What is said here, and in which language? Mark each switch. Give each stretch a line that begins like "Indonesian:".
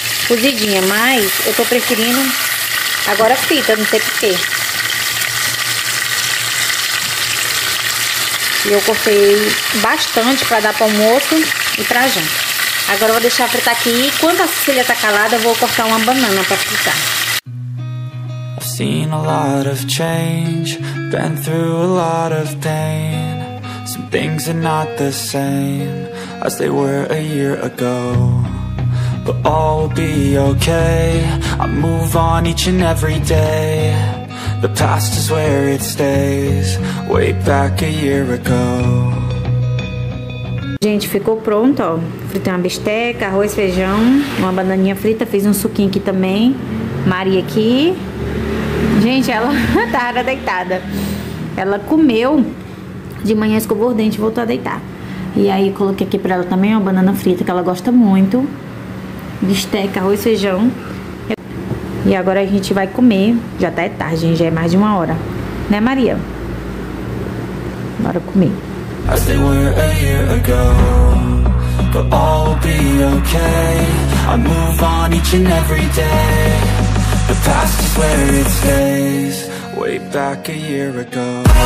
Portuguese: Cozidinha, mas eu tô preferindo agora frita, não sei porquê. E eu cortei bastante pra dar pro almoço e pra janta. Agora eu vou deixar fritar aqui. Enquanto a Cecília tá calada, eu vou cortar uma banana pra fritar.
English: I've seen a lot of change, been through a lot of pain. Some things are not the same as they were a year ago. But all will be okay, I move on each and every day. The past is where it stays, way back a year ago.
Portuguese: Gente, ficou pronto, ó. Fritei uma bisteca, arroz, feijão, uma bananinha frita, fiz um suquinho aqui também. Maria aqui. Gente, ela tava deitada. Ela comeu, de manhã escovou o dente e voltou a deitar. E aí coloquei aqui pra ela também uma banana frita, que ela gosta muito. Bisteca, arroz, feijão. E agora a gente vai comer. Já tá tarde, gente, já é mais de uma hora. Né, Maria? Bora comer.
English: As they were a year ago, but all will be okay. I move on each and every day. The past is where it stays, way back a year ago.